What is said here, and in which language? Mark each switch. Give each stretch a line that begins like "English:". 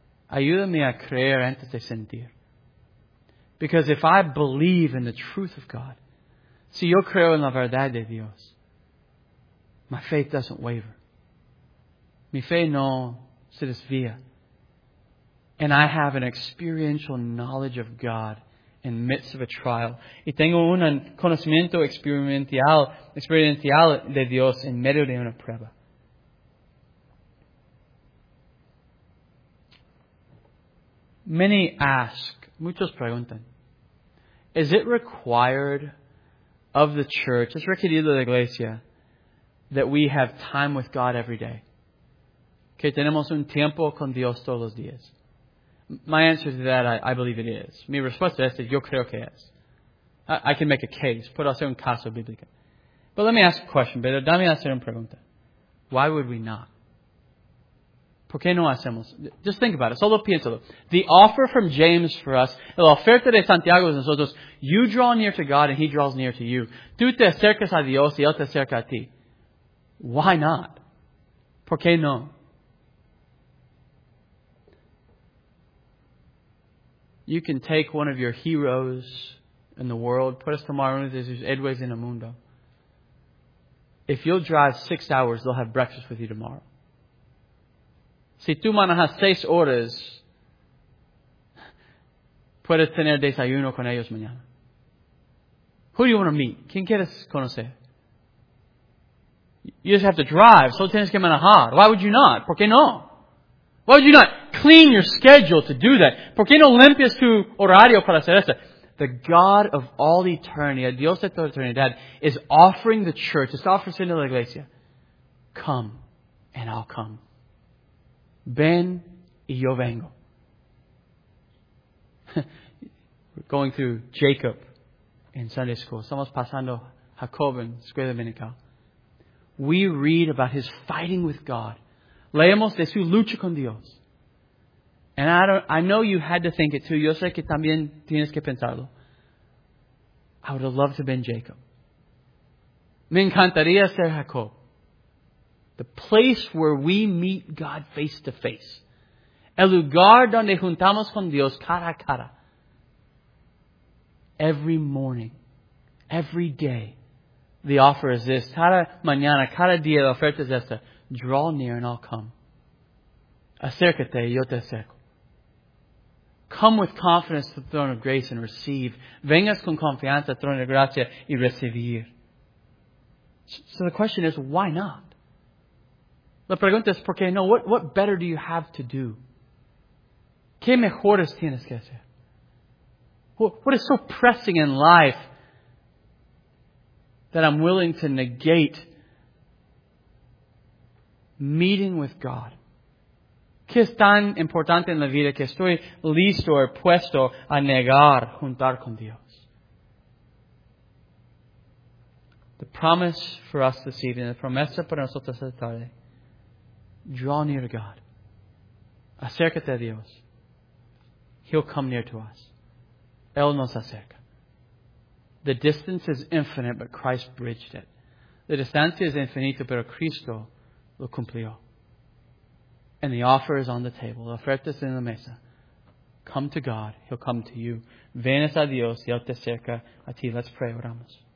Spanish: Ayúdame a creer antes de sentir.
English: Because if I believe in the truth of God,
Spanish: si yo creo en la verdad de Dios,
English: my faith doesn't waver.
Spanish: Mi fe no se desvía.
English: And I have an experiential knowledge of God in the midst of a trial.
Spanish: Y tengo un conocimiento experiencial de Dios en medio de una prueba.
English: Many ask,
Spanish: muchos preguntan,
English: is it required of the church,
Spanish: es requerido de la iglesia,
English: that we have time with God every day?
Spanish: Que tenemos un tiempo con Dios todos los días.
English: My answer to that, I believe it is.
Spanish: Mi respuesta es que yo creo que es.
English: I can make a case,
Spanish: puedo hacer un caso bíblico.
English: But let me ask a question,
Spanish: pero dame hacer una pregunta.
English: Why would we not?
Spanish: ¿Por qué no hacemos?
English: Just think about it.
Spanish: Solo piénsalo.
English: The offer from James for us,
Spanish: la oferta de Santiago es nosotros,
English: you draw near to God and he draws near to you.
Spanish: Tú te acercas a Dios y él te acerca a ti.
English: Why not?
Spanish: ¿Por qué no?
English: You can take one of your heroes in the world,
Spanish: puedes tomar uno de sus héroes en el mundo.
English: If you'll drive 6 hours, they'll have breakfast with you tomorrow.
Spanish: Si tú manejas 6 horas, puedes tener desayuno con ellos mañana.
English: Who do you want to meet?
Spanish: ¿Quién quieres conocer?
English: You just have to drive.
Spanish: Solo tienes que manejar.
English: Why would you not?
Spanish: ¿Por qué no?
English: Why would you not clean your schedule to do that?
Spanish: ¿Por qué no limpias tu horario para hacer eso?
English: The God of all eternity,
Spanish: Dios de toda eternidad,
English: is offering the church, is offering to
Spanish: la iglesia,
English: come and I'll come.
Spanish: Ven y yo vengo.
English: We're going through Jacob in Sunday school.
Spanish: Estamos pasando Jacob en Escuela Dominical.
English: We read about his fighting with God.
Spanish: Leemos de su lucha con Dios.
English: And I know you had to think it too.
Spanish: Yo sé que también tienes que pensarlo.
English: I would have loved to have been Jacob.
Spanish: Me encantaría ser Jacob.
English: The place where we meet God face to face.
Spanish: El lugar donde juntamos con Dios cara a cara.
English: Every morning, every day, the offer is this.
Spanish: Cada mañana, cada día, la oferta es esta.
English: Draw near and I'll come.
Spanish: Acércate, yo te acerco.
English: Come with confidence to the throne of grace and receive.
Spanish: Vengas con confianza al trono de gracia y recibir.
English: So the question is, why not?
Spanish: La pregunta es, ¿por qué no?
English: What better do you have to do?
Spanish: ¿Qué mejores tienes que hacer?
English: What is so pressing in life that I'm willing to negate meeting with God?
Spanish: ¿Qué es tan importante en la vida que estoy listo o puesto a negar juntar con Dios?
English: The promise for us this evening,
Spanish: la promesa para nosotros esta tarde,
English: draw near to God.
Spanish: Acércate a Dios.
English: He'll come near to us.
Spanish: Él nos acerca.
English: The distance is infinite, but Christ bridged it.
Spanish: La distancia es infinita, pero Cristo lo cumplió.
English: And the offer is on the table.
Spanish: La oferta está en la mesa.
English: Come to God. He'll come to you.
Spanish: Venes a Dios y Él te acerca a ti.
English: Let's pray.
Spanish: Oramos.